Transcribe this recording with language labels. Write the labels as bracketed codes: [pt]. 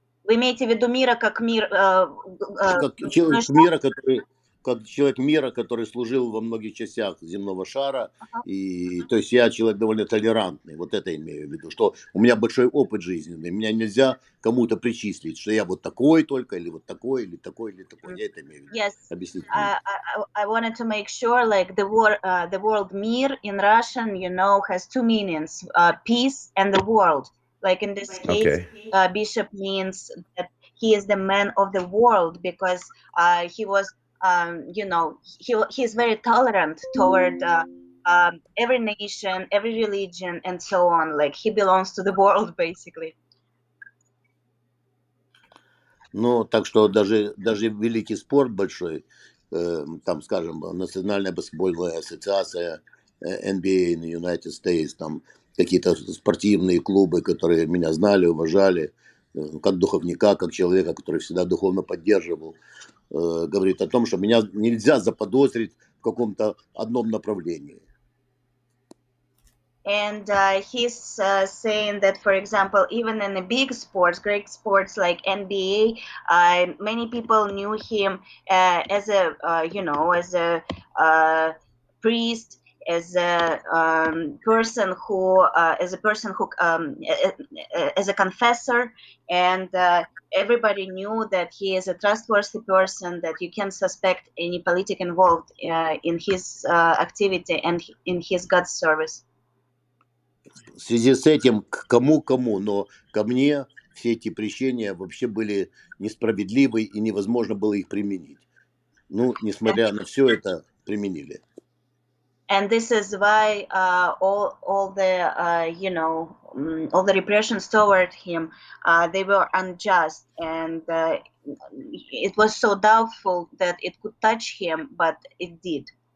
[ru] Вы имеете в виду мира как мир? Как человек мира, который служил во многих частях земного шара. И то есть я человек довольно толерантный. Вот это имею в виду, что у меня большой опыт жизненный. Меня нельзя кому-то причислить, что я вот такой только, или вот такой, или такой, или такой. Я это имею в виду. Yes. Объяснить. [en] I wanted to make sure, like the word "мир" in Russian, you know, has two meanings: peace and the world. Like in this case, okay. Bishop means that he is the man of the world because he was. You know, he's very tolerant toward every nation, every religion, and so on. Like, he belongs to the world, basically. [ru] Ну, так что даже великий спорт большой, там, скажем, Национальная баскетбольная ассоциация, NBA [en] in the United States, [ru] там, какие-то спортивные клубы, которые меня знали, уважали, как духовника, как человека, который всегда духовно поддерживал, говорит о том, что меня нельзя заподозрить в каком-то одном направлении. [en] And he's saying that, for example, even in the big sports, great sports like NBA, many people knew him as a, you know, as a priest, as a person who as a person who as a confessor, and everybody knew that he is a trustworthy person, that you can suspect any politic involved in his activity and in his God's service. [ru] В связи с этим, к кому-кому, но ко мне все эти прещения вообще были несправедливы, и невозможно было их применить. Ну, несмотря на все это, применили. [en] And this is why all the you know, all the repressions toward him, they were unjust, and it was so doubtful that it could touch him, but it did.